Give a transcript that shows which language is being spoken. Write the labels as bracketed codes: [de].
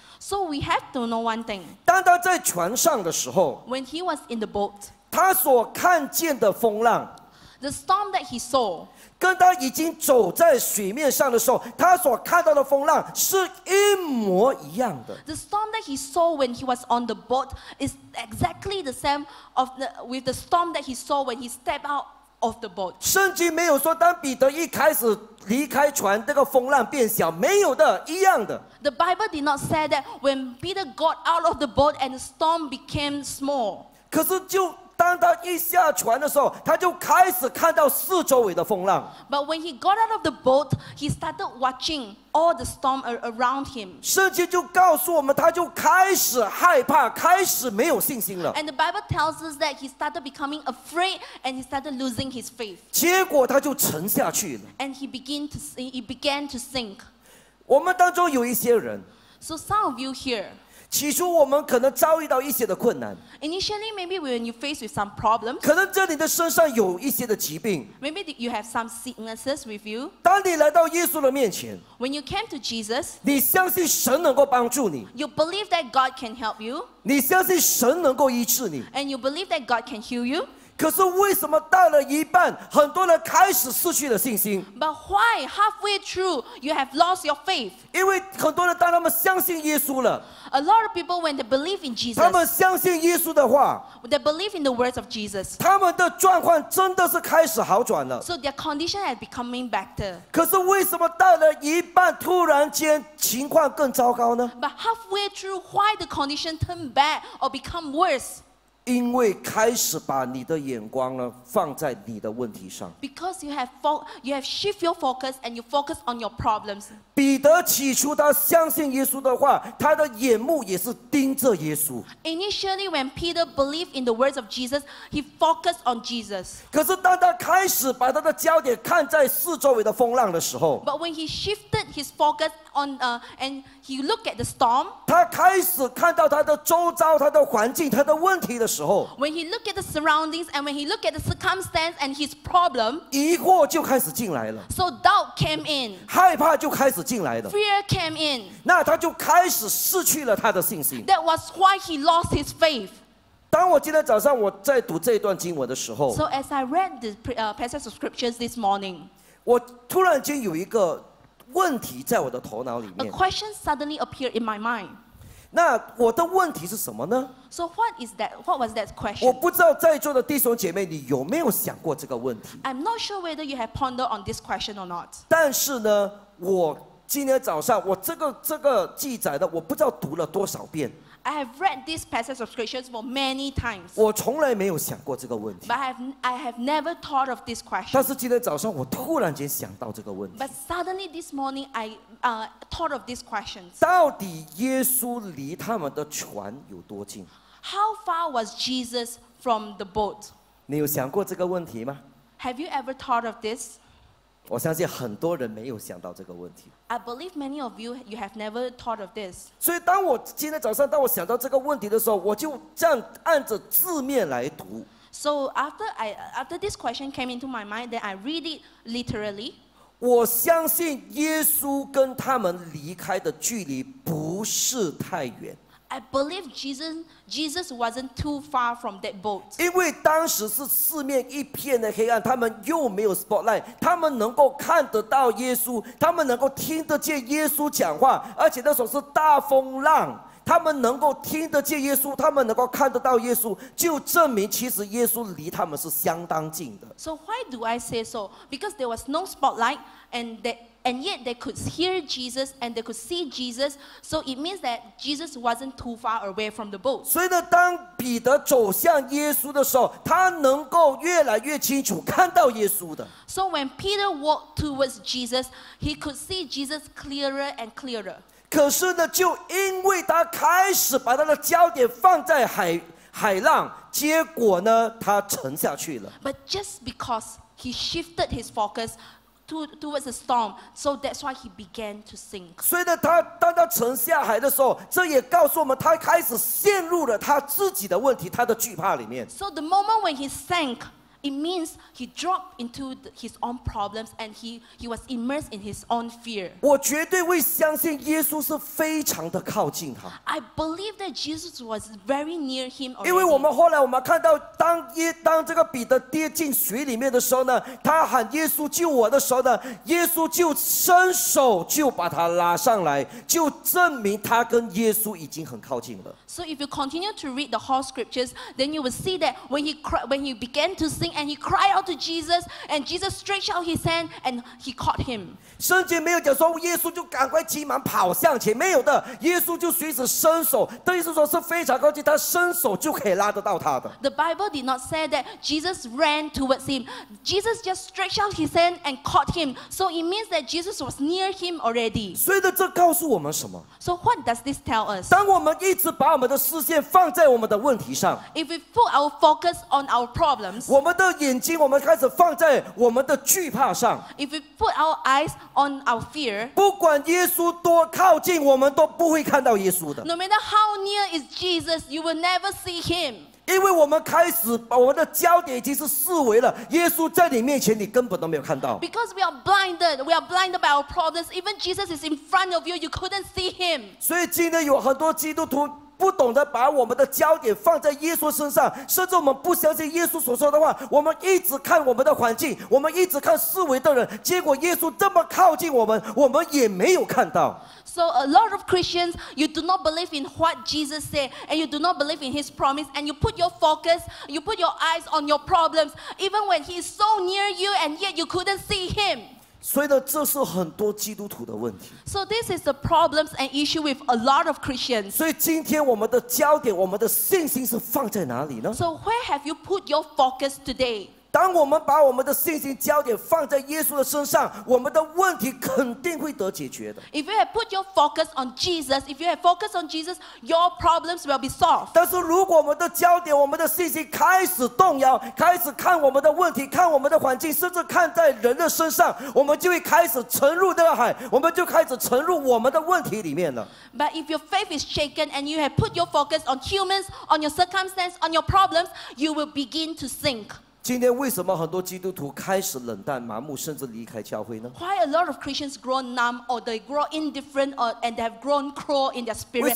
[en] So we have to know one thing. [zh] 当他在船上的时候。 [en] When he was in the boat. [zh] 他所看见的风浪。 [en] The storm that he saw. [zh] 跟他已经走在水面上的时候，他所看到的风浪是一模一样的。 [en] The storm that he saw when he was on the boat is exactly the same of the, with the storm that he saw when he stepped out of the boat. [zh] 圣经没有说当彼得一开始离开船，那个风浪变小，没有的，一样的。 [en] The Bible did not say that when Peter got out of the boat and the storm became small. [zh] 可是就当他一下船的时候，他就开始看到四周围的风浪。 [en] But when he got out of the boat, he started watching all the storm around him. [zh] 圣经就告诉我们，他就开始害怕，开始没有信心了。 [en] And the Bible tells us that he started becoming afraid and he started losing his faith. [zh] 结果他就沉下去了。 [en] And he began to sink. [zh] 我们当中有一些人。 [en] So some of you here. [zh] 起初我们可能遭遇到一些的困难。 [en] Initially, maybe when you face with some problems. [zh] 可能这里的身上有一些的疾病。 [en] Maybe you have some sicknesses with you. [zh] 当你来到耶稣的面前。 [en] When you came to Jesus. [zh] 你相信神能够帮助你。 [en] You believe that God can help you. [zh] 你相信神能够医治你。 [en] And you believe that God can heal you. [zh] 可是为什么到了一半，很多人开始失去了信心 [en] ？But why halfway through you have lost your faith？ [zh] 因为很多人当他们相信耶稣了 [en] ，A lot of people when they believe in Jesus， [zh] 他们相信耶稣的话 [en] ，They believe in the words of Jesus， [zh] 他们的状况真的是开始好转了 [en] ，So their condition has becoming better。 [zh] 可是为什么到了一半，突然间情况更糟糕呢 [en] ？But halfway through why the condition turn bad or become worse？ [zh] 因为开始把你的眼光呢放在你的问题上。 [en] Because you have shift your focus and you focus on your problems. [zh] 彼得起初他相信耶稣的话，他的眼目也是盯着耶稣。 [en] Initially, when Peter believed in the words of Jesus, he focused on Jesus. [zh] 可是当他开始把他的焦点看在四周围的风浪的时候 [en] ，But when he shifted his focus on and he looked at the storm, [zh] 他开始看到他的周遭、他的环境、他的问题的。 [en] When he look at the surroundings and when he look at the circumstance and his problem, [zh] 疑惑就开始进来了 [en] So doubt came in. [zh] 害怕就开始进来了 [en] Fear came in. [zh] 那他就开始失去了他的信心 [en] That was why he lost his faith. [zh] 当我今天早上我在读这段经文的时候 [en] So as I read the passage of scriptures this morning, [zh] 我突然间有一个问题在我的头脑里面 [en] A question suddenly appeared in my mind. [zh] 那我的问题是什么呢？ [en] So what is that? What was that question? [zh] 我不知道在座的弟兄姐妹，你有没有想过这个问题 [en] ？I'm not sure whether you have pondered on this question or not. [zh] 但是呢，我今天早上我这个记载的，我不知道读了多少遍。 [en] I have read this passage of scriptures for many times. [zh] 我从来没有想过这个问题。 [en] But I have never thought of this question. [zh] 但是今天早上我突然间想到这个问题。 [en] But suddenly this morning I thought of this question. [zh] 到底耶稣离他们的船有多近？ [en] How far was Jesus from the boat? [zh] 你有想过这个问题吗？ [en] Have you ever thought of this? [zh] 我相信很多人没有想到这个问题。 [en] I believe many of you have never thought of this. [zh] 所以当我今天早上当我想到这个问题的时候，我就这样按着字面来读。 [en] So after this question came into my mind, then I read it literally. [zh] 我相信耶稣跟他们离开的距离不是太远。 [en] I believe Jesus wasn't too far from that boat. [zh] 因为当时是四面一片的黑暗，他们又没有 spotlight， 他们能够看得到耶稣，他们能够听得见耶稣讲话，而且那时候是大风浪，他们能够听得见耶稣，他们能够看得到耶稣，就证明其实耶稣离他们是相当近的。 [en] So why do I say so? Because there was no spotlight and yet they could hear Jesus and they could see Jesus, so it means that Jesus wasn't too far away from the boat. [zh] 所以呢，当彼得走向耶稣的时候，他能够越来越清楚看到耶稣的。 [en] So when Peter walked towards Jesus, he could see Jesus clearer and clearer. [zh] 可是呢，就因为他开始把他的焦点放在海浪，结果呢，他沉下去了。 [en] But just because he shifted his focus. Towards the storm, so that's why he began to sink. [zh] 所以呢，当他沉下海的时候，这也告诉我们，他开始陷入了他自己的问题，他的惧怕里面。 [en] So the moment when he sank, it means he dropped into his own problems and he was immersed in his own fear. [zh] 我绝对会相信耶稣是非常的靠近他。 [en] I believe that Jesus was very near him. [zh] 因为我们后来我们看到当这个彼得跌进水里面的时候呢，他喊耶稣救我的时候呢，耶稣就伸手就把他拉上来，就证明他跟耶稣已经很靠近了。 [en] So if you continue to read the whole scriptures, then you will see that when he began to sink and he cried out to Jesus, and Jesus stretched out his hand and he caught him. [zh] 圣经没有讲说耶稣就赶快急忙跑向前，没有的，耶稣就随时伸手，等于是说是非常靠近，他伸手就可以拉得到他的。 [en] The Bible did not say that Jesus ran towards him. Jesus just stretched out his hand and caught him. So it means that Jesus was near him already. [zh] 所以呢，这告诉我们什么？ [en] So what does this tell us? [zh] 当我们一直把我们的视线放在我们的问题上， [en] if we put our focus on our problems, [zh] 我们的眼睛我们开始放在我们的惧怕上， [en] if we put our eyes on our fear, [zh] 不管耶稣多靠近，我们都不会看到耶稣的。 [en] No matter how near is Jesus, you will never see him. [zh] 因为我们开始把我们的焦点已经是视为了耶稣在你面前，你根本都没有看到。 [en] Because we are blinded by our problems. Even Jesus is in front of you, you couldn't see him. [zh] 所以今天有很多基督徒不懂得把我们的焦点放在耶稣身上，甚至我们不相信耶稣所说的话，我们一直看我们的环境，我们一直看四围的人，结果耶稣这么靠近我们，我们也没有看到。 [en] So a lot of Christians, you do not believe in what Jesus said, and you do not believe in His promise, and you put your focus, you put your eyes on your problems, even when He is so near you, and yet you couldn't see Him. [zh] 所以呢，这是很多基督徒的问题。 [en] So this is the problems and issue with a lot of Christians. [zh] 所以今天我们的焦点，我们的信心是放在哪里呢？ [en] So where have you put your focus today? [zh] 当我们把我们的信心焦点放在耶稣的身上，我们的问题肯定会得解决的。 [en] If you have put your focus on Jesus, if you have focus on Jesus, your problems will be solved. [zh] 但是如果我们的焦点、我们的信心开始动摇，开始看我们的问题、看我们的环境，甚至看在人的身上，我们就会开始沉入那个海，我们就开始沉入我们的问题里面了。 [en] But if your faith is shaken and you have put your focus on humans, on your circumstance, on your problems, you will begin to sink. [zh] 今天为什么很多基督徒开始冷淡、麻木，甚至离开教会呢？ [en] Why a lot of Christians grow numb, or they grow indifferent, or and they have grown cold in their spirit and left the church?